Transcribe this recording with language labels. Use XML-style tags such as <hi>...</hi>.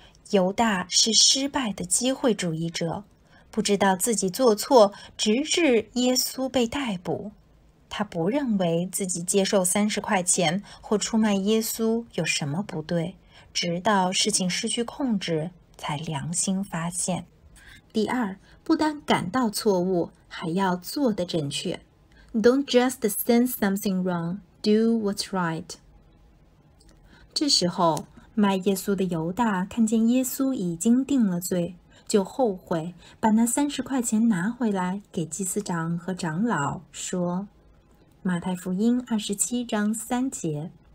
<zh>犹大是失败的机会主义者，不知道自己做错，直至耶稣被逮捕。他不认为自己接受30块钱或出卖耶稣有什么不对，直到事情失去控制，才良心发现。第二，不单感到错误，还要做得正确。</zh> <en>Don't just sense something wrong, do what's right.</en> <zh>这时候，卖耶稣的犹大看见耶稣已经定了罪，就后悔，把那30块钱拿回来给祭司长和长老，说。马太福音27:3。</zh>